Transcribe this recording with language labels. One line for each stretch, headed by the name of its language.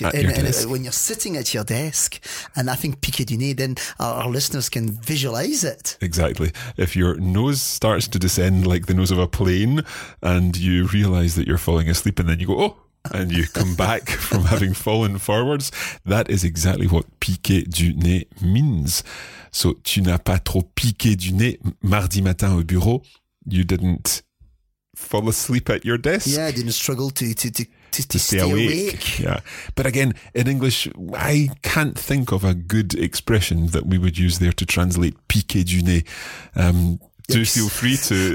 English: When you're sitting at your desk, and I think piqué du nez, then our listeners can visualize it. Exactly. If your nose starts to descend like the nose of a plane, and you realize that you're falling asleep, and then you go, oh, and you come back from having fallen forwards, that is exactly what piqué du nez means.
French: So, tu n'as pas trop piqué du nez mardi matin au bureau.
English: You didn't fall asleep at your desk. Yeah, I didn't struggle to stay awake. Yeah. But again, in English, I can't think of a good expression that we would use there to translate piqué du nez. Do feel free to...